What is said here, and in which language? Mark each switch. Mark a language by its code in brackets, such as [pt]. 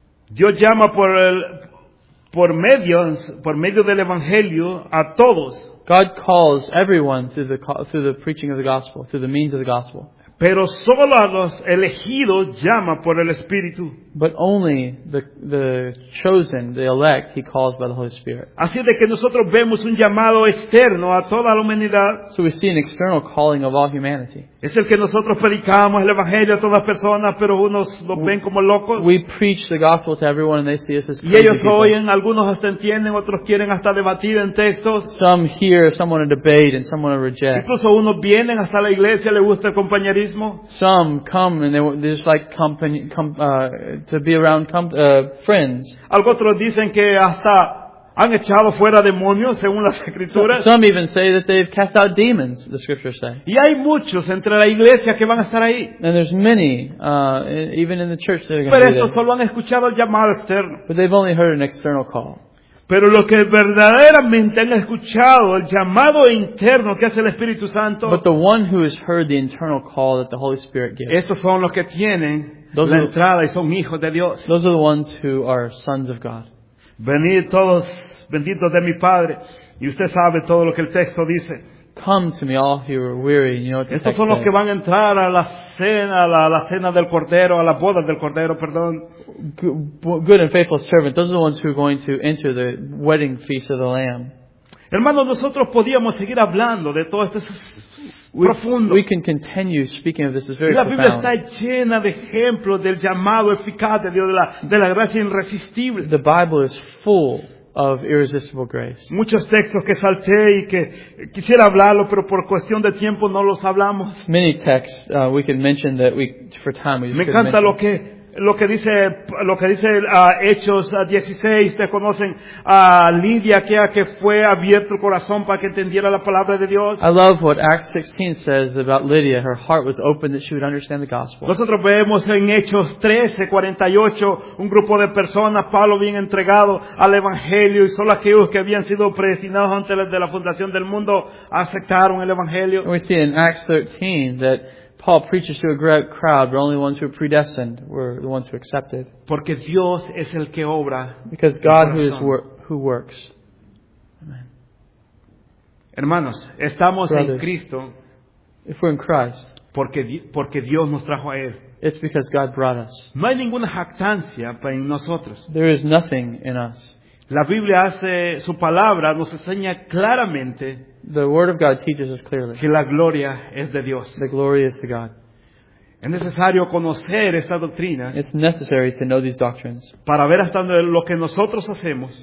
[es] Dios llama por medio del evangelio a todos. [en] God calls everyone through the preaching of the gospel, through the means of the gospel. [es] Pero solo a los elegidos llama por el Espíritu. [en] But only the chosen, the elect, he calls by the Holy Spirit. [es] Así de que nosotros vemos un llamado externo a toda la humanidad. [en] So we see an external calling of all humanity. [es] Es el que nosotros predicamos el evangelio a todas las personas, pero unos lo ven como locos. [en] We preach the gospel to everyone and they see us as crazy. [es] Y ellos oyen, algunos hasta entienden, otros quieren hasta debatir en textos. [en] Some hear, some want to debate, and some want to reject. [es] Incluso unos vienen hasta la iglesia, les gusta el compañerismo. [en] Some come and they just like to be around friends. [es] Algunos otros dicen que hasta han echado fuera demonios según las escrituras. [en] Some even say that they've cast out demons, the scriptures say. [es] Y hay muchos entre la iglesia que van a estar ahí. [en] And there's many even in the church that are going to be there. [es] Pero estos solo han escuchado el llamado externo. [en] But they've only heard an external call. [es] Pero los que verdaderamente han escuchado el llamado interno que hace el Espíritu Santo. [en] But the one who has heard the internal call that the Holy Spirit gives. [es] Estos son los que tienen la entrada y son hijos de Dios. [en] Those are the ones who are sons of God. [es] Venid todos benditos de mi Padre, y usted sabe todo lo que el texto dice. [en] Come to me, all who are weary, and you know what the text says. [es] Estos son los que van a entrar a la cena del Cordero, a la boda del Cordero, perdón. [en] Good and faithful servant, those are the ones who are going to enter the wedding feast of the Lamb. [es] Hermanos, nosotros podíamos seguir hablando de todo esto. [en] We can continue speaking of this. It's very profound. [es] La Biblia está llena de ejemplos del llamado eficaz de Dios, de la gracia irresistible. [en] The Bible is full of irresistible grace. [es] Muchos textos que salté y que quisiera hablarlo, pero por cuestión de tiempo no los hablamos. [en] Many texts we can mention that we for time we just [es] me encanta [en] mention. [es] lo que dice Hechos 16, ustedes conocen a Lidia, que fue abierto el corazón para que entendiera la palabra de Dios. [en] I love what Acts 16 says about Lydia. Her heart was open that she would understand the gospel. [es] Nosotros vemos en Hechos 13:48 un grupo de personas, Pablo bien entregado al evangelio, y solo aquellos que habían sido predestinados antes de la fundación del mundo aceptaron el evangelio. [en] And we see in Acts 13 that Paul preaches to a great crowd, but only the ones who are predestined were the ones who accepted. [es] Porque Dios es el que obra. [en] Because God who works. Amen. [es] Hermanos, estamos [en] brothers, [es] en Cristo. [en] If we're in Christ. [es] Porque Dios nos trajo a él. [en] It's because God brought us. [es] No hay ninguna jactancia en nosotros. [en] There is nothing in us. [es] La Biblia hace su palabra, nos enseña claramente. [en] The word of God teaches us clearly. [es] Que la gloria es de Dios. [en] The glory is to God. [es] Es necesario conocer estas doctrinas. [en] It's necessary to know these doctrines. [es] Para ver hasta lo que nosotros hacemos.